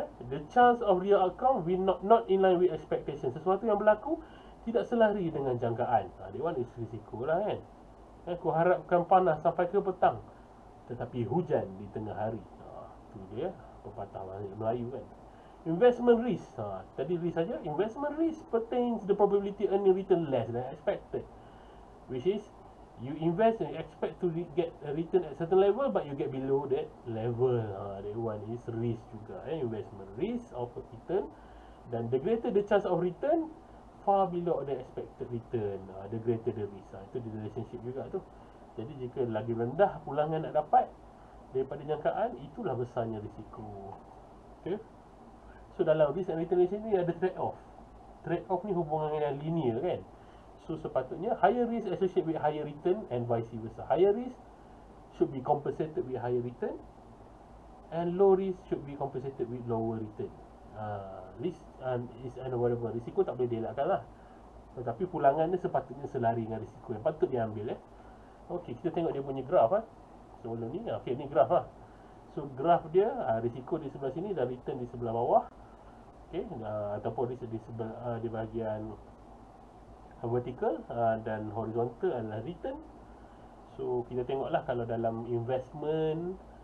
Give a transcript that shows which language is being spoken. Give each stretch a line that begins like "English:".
English: The chance of real outcome will not in line with expectation.
Malay: Sesuatu yang berlaku tidak selari dengan jangkaan.
English: That one is
Malay: risiko lah kan. Aku harapkan panas sampai ke petang, tetapi hujan di tengah hari. Itu dia pepatah Melayu kan.
English: Investment risk.
Malay: Tadi risk saja.
English: Investment risk pertains the probability earning return less than expected. Which is, you invest and you expect to get a return at certain level, but you get below that level. That one is risk
Malay: juga.
English: Investment risk of a return.
Malay: Dan
English: the greater the chance of return, far below the expected return, the greater the risk. Itu the relationship
Malay: juga tu. Jadi jika lagi rendah pulangan nak dapat daripada jangkaan, itulah besarnya risiko. Okay. So dalam risk and return relationship ni ada trade-off. Trade-off ni hubungan yang linear kan. So sepatutnya
English: higher risk associated with higher return and vice versa. Higher risk should be compensated with higher return, and low risk should be compensated with lower return. Risk is unavoidable.
Malay: Risiko tak boleh dielakkan lah. Tetapi pulangan ni sepatutnya selari dengan risiko yang patut diambil. Okey, kita tengok dia punya graf lah. Sebelum ni, okey ni graf lah. So graf dia, risiko di sebelah sini dan return di sebelah bawah. Okey, ataupun risk di sebelah di bahagian vertikal dan horizontal adalah return.
English: So kita tengoklah kalau dalam investment